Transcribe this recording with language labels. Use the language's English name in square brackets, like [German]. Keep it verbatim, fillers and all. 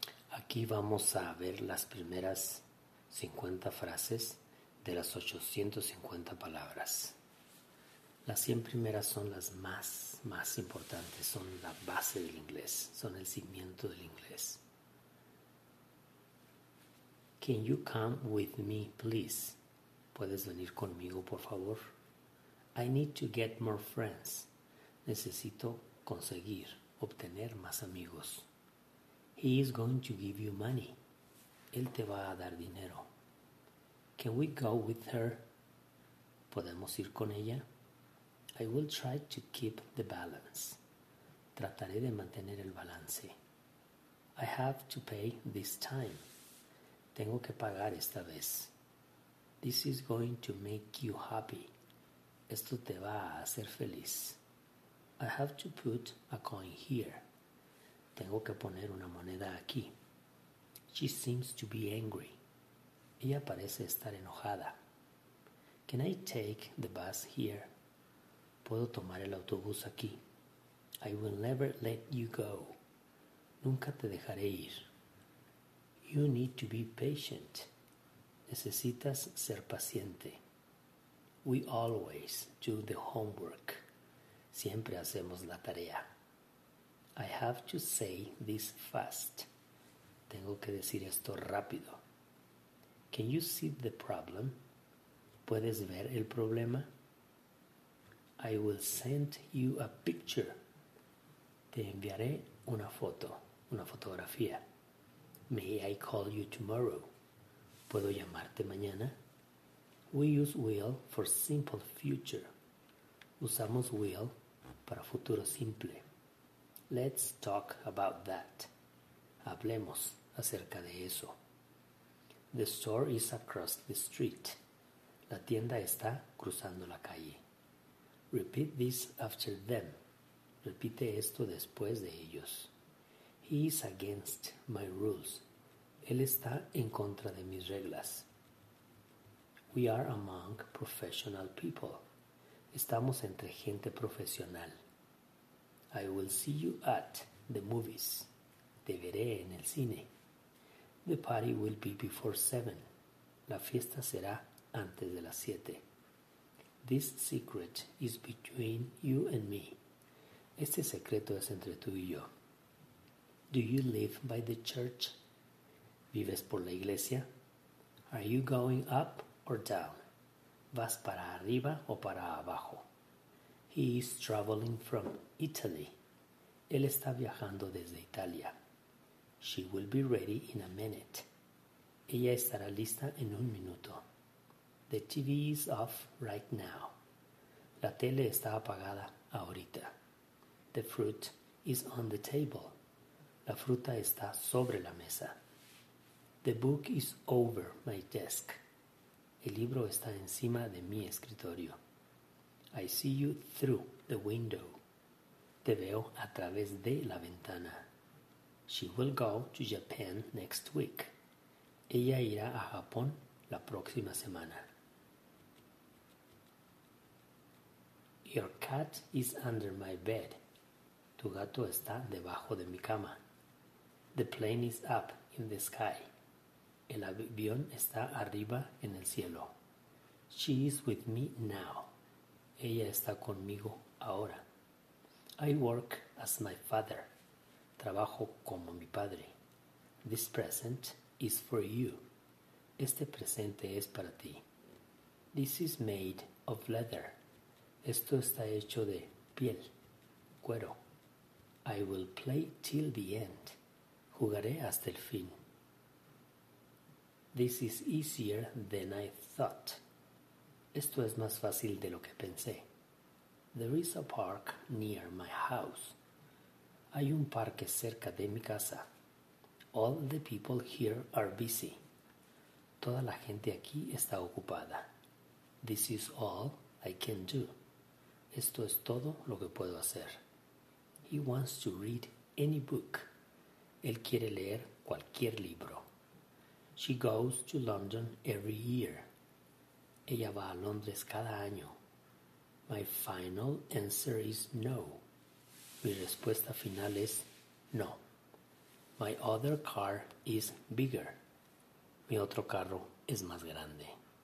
[Spanish] Aquí vamos a ver las primeras cincuenta frases de las ochocientas cincuenta palabras. Las cien primeras son las más, más importantes, son la base del inglés, son el cimiento del inglés. [English] Can you come with me, please? [Spanish] ¿Puedes venir conmigo, por favor? [English] I need to get more friends. [Spanish] Necesito conseguir, obtener más amigos. [English] He is going to give you money. [Spanish] Él te va a dar dinero. [English] Can we go with her? [Spanish] ¿Podemos ir con ella? [English] I will try to keep the balance. [Spanish] Trataré de mantener el balance. [English] I have to pay this time. [Spanish] Tengo que pagar esta vez. [English] This is going to make you happy. [Spanish] Esto te va a hacer feliz. [English] I have to put a coin here. [Spanish] Tengo que poner una moneda aquí. [English] She seems to be angry. [Spanish] Ella parece estar enojada. [English] Can I take the bus here? [Spanish] Puedo tomar el autobús aquí. [English] I will never let you go. [Spanish] Nunca te dejaré ir. [English] You need to be patient. [Spanish] Necesitas ser paciente. [English] We always do the homework. [Spanish] Siempre hacemos la tarea. [English] I have to say this fast. [Spanish] Tengo que decir esto rápido. [English] Can you see the problem? [Spanish] ¿Puedes ver el problema? [English] I will send you a picture. [Spanish] Te enviaré una foto, una fotografía. [English] May I call you tomorrow? [Spanish] ¿Puedo llamarte mañana? [English] We use will for simple future. [Spanish] Usamos will para futuro simple. [English] Let's talk about that. [Spanish] Hablemos acerca de eso. [English] The store is across the street. [Spanish] La tienda está cruzando la calle. [English] Repeat this after them. [Spanish] Repite esto después de ellos. [English] He is against my rules. [Spanish] Él está en contra de mis reglas. [English] We are among professional people. [Spanish] Estamos entre gente profesional. [English] I will see you at the movies. [Spanish] Te veré en el cine. [English] The party will be before seven. [Spanish] La fiesta será antes de las siete. [English] This secret is between you and me. [Spanish] Este secreto es entre tú y yo. [English] Do you live by the church? [Spanish] ¿Vives por la iglesia? [English] Are you going up or down? [Spanish] ¿Vas para arriba o para abajo? [English] He is traveling from Italy. [Spanish] Él está viajando desde Italia. [English] She will be ready in a minute. [Spanish] Ella estará lista en un minuto. [English] The T V is off right now. [Spanish] La tele está apagada ahorita. [English] The fruit is on the table. [Spanish] La fruta está sobre la mesa. [English] The book is over my desk. [Spanish] El libro está encima de mi escritorio. [English] I see you through the window. [Spanish] Te veo a través de la ventana. [English] She will go to Japan next week. [Spanish] Ella irá a Japón la próxima semana. [English] Your cat is under my bed. [Spanish] Tu gato está debajo de mi cama. [English] The plane is up in the sky. [Spanish] El avión está arriba en el cielo. [English] She is with me now. [Spanish] Ella está conmigo ahora. [English] I work as my father. [Spanish] Trabajo como mi padre. [English] This present is for you. [Spanish] Este presente es para ti. [English] This is made of leather. [Spanish] Esto está hecho de piel, cuero. [English] I will play till the end. [Spanish] Jugaré hasta el fin. [English] This is easier than I thought. [Spanish] Esto es más fácil de lo que pensé. [English] There is a park near my house. [Spanish] Hay un parque cerca de mi casa. [English] All the people here are busy. [Spanish] Toda la gente aquí está ocupada. [English] This is all I can do. [Spanish] Esto es todo lo que puedo hacer. [English] He wants to read any book. [Spanish] Él quiere leer cualquier libro. [English] She goes to London every year. [Spanish] Ella va a Londres cada año. [English] My final answer is no. [Spanish] Mi respuesta final es no. [English] My other car is bigger. [Spanish] Mi otro carro es más grande.